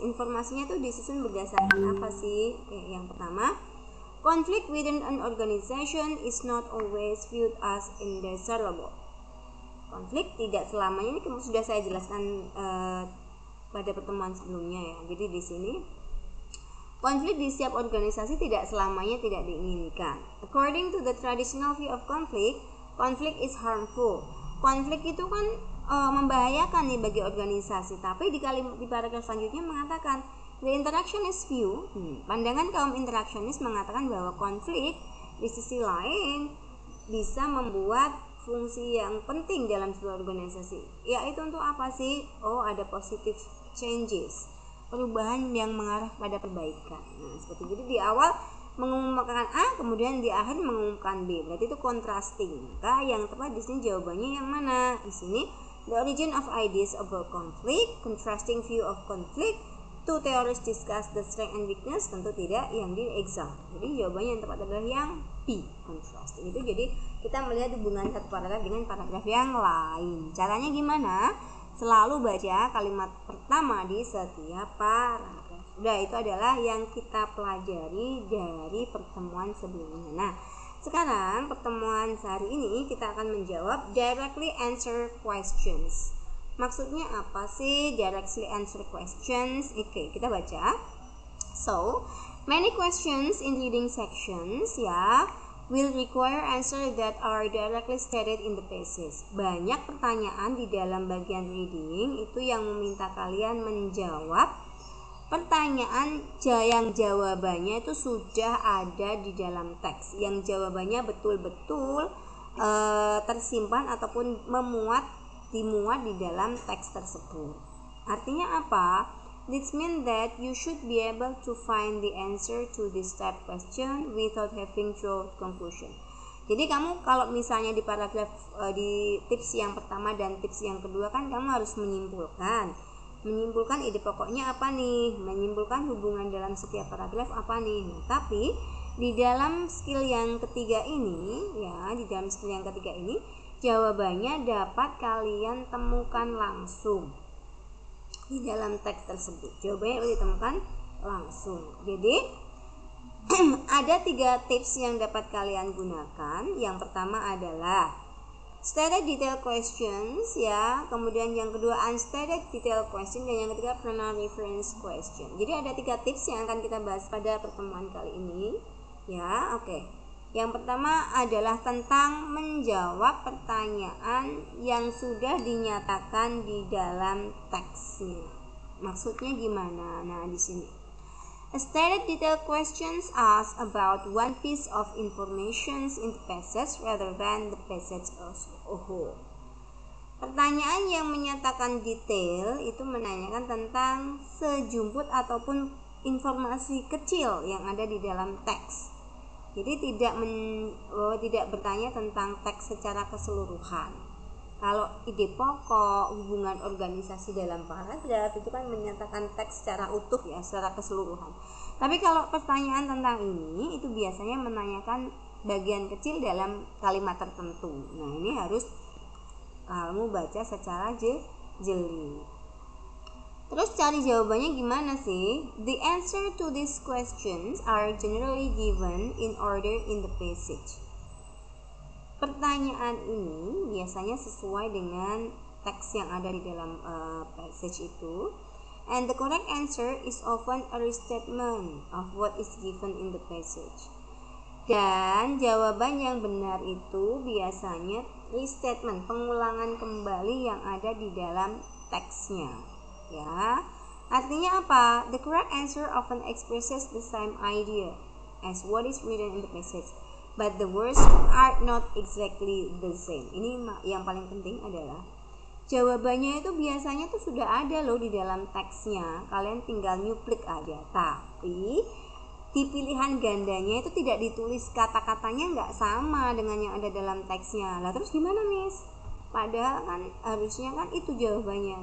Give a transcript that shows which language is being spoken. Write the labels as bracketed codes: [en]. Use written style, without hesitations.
[id] Informasinya tuh disusun berdasarkan apa sih? Oke, yang pertama, [en] conflict within an organization is not always viewed as indesirable. [id] Konflik tidak selamanya, ini sudah saya jelaskan pada pertemuan sebelumnya ya. Jadi di sini konflik di setiap organisasi tidak selamanya tidak diinginkan. [en] According to the traditional view of conflict, conflict is harmful. [id] Konflik itu kan membahayakan nih bagi organisasi. Tapi di paragraf selanjutnya mengatakan [en] the interactionist view, [id] pandangan kaum interaksionis mengatakan bahwa konflik di sisi lain bisa membuat fungsi yang penting dalam sebuah organisasi, yaitu untuk apa sih? Oh, ada [en] positive changes, [id] perubahan yang mengarah pada perbaikan. Nah, seperti itu. Jadi di awal mengumumkan A, kemudian di akhir mengumumkan B. Berarti itu contrasting. Maka yang tepat di sini jawabannya yang mana? Di sini [en] the origin of ideas about conflict, contrasting view of conflict, two theories discuss the strength and weakness. [id] Tentu tidak yang di exam. Jadi jawabannya yang tepat adalah yang contrasting itu. Jadi kita melihat hubungan satu paragraf dengan paragraf yang lain. Caranya gimana? Selalu baca kalimat pertama di setiap paragraf. Udah, itu adalah yang kita pelajari dari pertemuan sebelumnya. Nah, sekarang pertemuan sehari ini kita akan menjawab [en] directly answer questions. [id] Maksudnya apa sih [en] directly answer questions? [id] Oke, kita baca. [en] So, many questions in reading sections ya will require answer that are directly stated in the pages. [id] Banyak pertanyaan di dalam bagian reading itu yang meminta kalian menjawab pertanyaan yang jawabannya itu sudah ada di dalam teks, yang jawabannya betul-betul tersimpan ataupun dimuat di dalam teks tersebut. Artinya apa? [en] This means that you should be able to find the answer to this type question without having to conclusion. [id] Jadi kamu kalau misalnya di paragraf di tips yang pertama dan tips yang kedua kan kamu harus menyimpulkan. Menyimpulkan ide pokoknya apa nih? Menyimpulkan hubungan dalam setiap paragraf apa nih? Nah, tapi di dalam skill yang ketiga ini ya, di dalam skill yang ketiga ini jawabannya dapat kalian temukan langsung di dalam teks tersebut. Jawabannya ditemukan langsung. Jadi ada tiga tips yang dapat kalian gunakan. Yang pertama adalah [en] stated detail questions [id] ya. Kemudian yang kedua [en] unstated detail question, [id] dan yang ketiga [en] pronoun reference question. [id] Jadi ada tiga tips yang akan kita bahas pada pertemuan kali ini ya. Oke. Yang pertama adalah tentang menjawab pertanyaan yang sudah dinyatakan di dalam teksnya. Maksudnya gimana? Nah, di sini. [en] A stated detail questions ask about one piece of information in the passage rather than the passage as a whole. [id] Pertanyaan yang menyatakan detail itu menanyakan tentang sejumput ataupun informasi kecil yang ada di dalam teks. Jadi tidak bertanya tentang teks secara keseluruhan. Kalau ide pokok, hubungan organisasi dalam paragraf itu kan menyatakan teks secara utuh ya, secara keseluruhan. Tapi kalau pertanyaan tentang ini itu biasanya menanyakan bagian kecil dalam kalimat tertentu. Nah, ini harus kamu baca secara jeli. Terus cari jawabannya gimana sih? [en] The answer to these questions are generally given in order in the passage. [id] Pertanyaan ini biasanya sesuai dengan teks yang ada di dalam passage itu. [en] And the correct answer is often a restatement of what is given in the passage. [id] Dan jawaban yang benar itu biasanya restatement, pengulangan kembali yang ada di dalam teksnya. Ya. Artinya apa? [en] The correct answer often expresses the same idea as what is written in the message, but the words are not exactly the same. [id] Ini yang paling penting adalah jawabannya itu biasanya tuh sudah ada loh di dalam teksnya. Kalian tinggal nyuplik aja. Tapi di pilihan gandanya itu tidak ditulis kata-katanya nggak sama dengan yang ada dalam teksnya. Lah terus gimana, Miss? Padahal kan harusnya kan itu jawabannya.